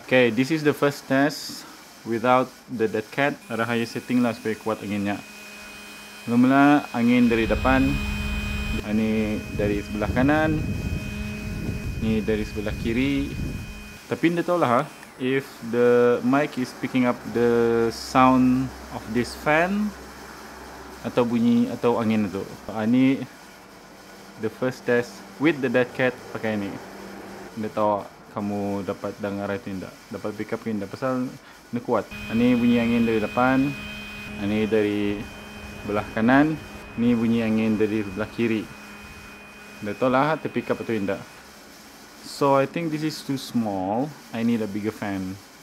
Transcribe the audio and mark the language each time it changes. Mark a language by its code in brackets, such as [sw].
[en] Okay, this is the first test without the dead cat. [ms] Rahaya setting lah supaya kuat anginnya. Mula-mula angin dari depan. Ini dari sebelah kanan. Ini dari sebelah kiri. Tapi anda tahu lah, [en] if the mic is picking up the sound of this fan [ms] atau bunyi atau angin itu. [en] Ini the first test with the dead cat [ms] pakai ini. Anda tahu kamu dapat dengar atau tidak, dapat pick up ke tidak, pasal ini kuat. Ini bunyi angin dari depan, ini dari belah kanan, ini bunyi angin dari belah kiri. Anda tahu lah, ada pick up atau tidak. [en] So I think this is too small, I need a bigger fan.